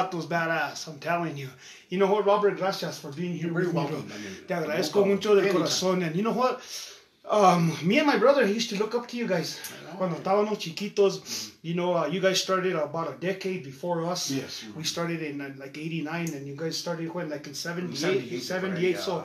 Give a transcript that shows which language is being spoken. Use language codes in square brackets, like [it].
[en] Badass, I'm telling you. You know what, Robert? Gracias for being here. You're very welcome. [es] Te agradezco mucho del corazón. [en] And you know what? Me and my brother used to look up to you guys. [es] Cuando estábamos chiquitos, [en] you know, you guys started about a decade before us. Yes. We started in like 89, and you guys started when? Like in 78.